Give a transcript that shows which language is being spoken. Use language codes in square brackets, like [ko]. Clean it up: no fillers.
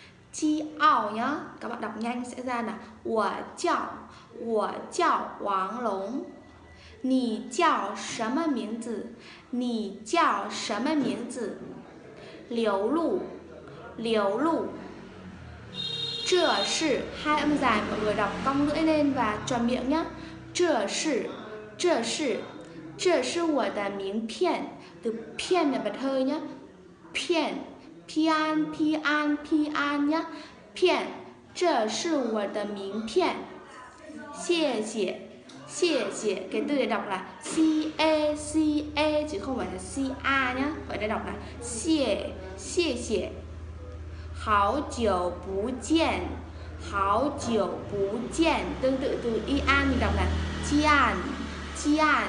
[vi] 叫 nhá, các bạn đọc nhanh sẽ ra là [zh] 我叫, 我叫王龙. 你叫什么名字?你叫什么名字? 刘露, 刘露. 这是, [vi] hai âm dài, mọi người đọc cong lưỡi lên và tròn miệng nhá. [zh] 这是, 这是, 这是我的名片. [vi] Từ pian là bật hơi nhá. Pian, pian, pian, pian nhá. [zh] Pian, 这是我的名片. 谢谢, 谢谢. [vi] Cái từ để đọc là ca, ca, chứ không phải là ca nhá. Vậy để đọc là [zh] 谢, 谢谢. 好久不见, 好久不见. [vi] Tương tự từ ian mình đọc là [zh] 见, 见.